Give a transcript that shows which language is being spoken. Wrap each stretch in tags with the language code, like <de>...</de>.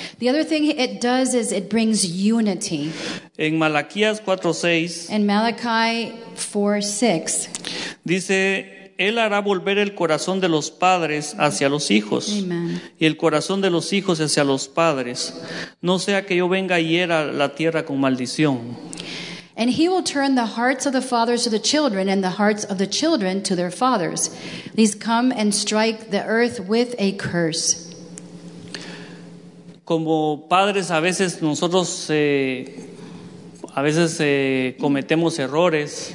<en>The other thing it does is it brings unity.</en> <es>En Malaquías 4:6.</es> <en>In Malachi 4:6.</en> <es>Dice, Él hará volver el corazón de los padres hacia los hijos.</es> <en>Amen.</en> <es>Y el corazón de los hijos hacia los padres. No sea que yo venga y hiera la tierra con maldición.</es> <en>And he will turn the hearts of the fathers to the children and the hearts of the children to their fathers. These come and strike the earth with a curse.</en> <es>Como padres a veces nosotros a veces cometemos errores.</es>